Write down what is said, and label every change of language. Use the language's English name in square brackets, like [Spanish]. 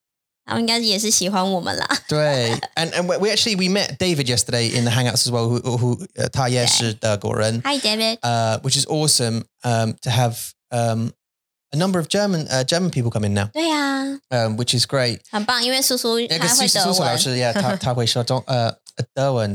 [Chinese] 不会啊，他就是觉得他们应该也是喜欢我们啦。对， [English] and we met David yesterday in the Hangouts as well. [Chinese] Who他也是德国人。 [English] Hi, David. Which is awesome to have a number of German people come in now. [Chinese] 对呀。 [English] Which is great. [Chinese] 很棒，因为叔叔他会德文。叔叔老师，他会说德文。